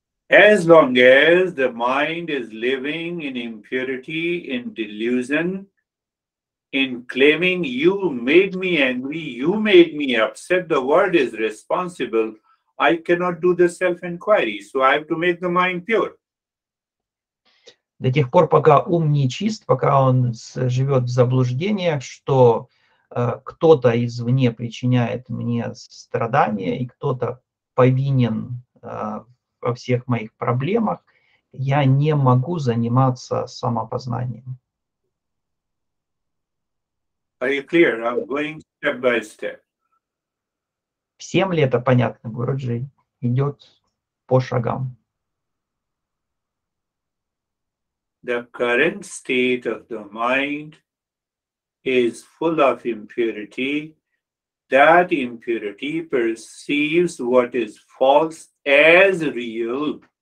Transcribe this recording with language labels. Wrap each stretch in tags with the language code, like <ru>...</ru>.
<en>As long as the mind is living in impurity, in delusion, in claiming you made me angry, you made me upset, the world is responsible, I cannot do the self-inquiry, so I have to make the mind pure.</en> <ru>До тех пор, пока ум не чист, пока он живет в заблуждениях, что кто-то извне причиняет мне страдания и кто-то повинен во всех моих проблемах, я не могу заниматься самопознанием.</ru> <en>Are you clear? I'm going step by step.</en> <ru>Всем ли это понятно, Гуруджи? Идет по шагам.</ru> <en>The current state of the mind is full of impurity. That impurity perceives what is false as real.</en>